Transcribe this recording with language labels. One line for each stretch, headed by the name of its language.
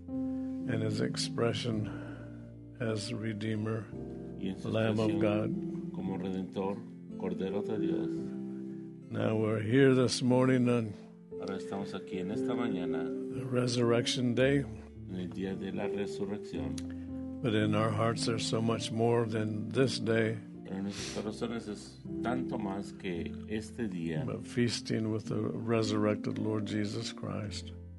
English: And his expression as Redeemer, Lamb of God.
Spanish: Como Redentor, Cordero de Dios.
English: Now we're here this morning on
Spanish: ahora estamos aquí en esta mañana,
English: the Resurrection Day.
Spanish: En el día de la resurrección.
English: But in our hearts there's so much more than this day.
Spanish: Pero en nuestros corazones es tanto más que este día.
English: But feasting with the resurrected Lord Jesus Christ.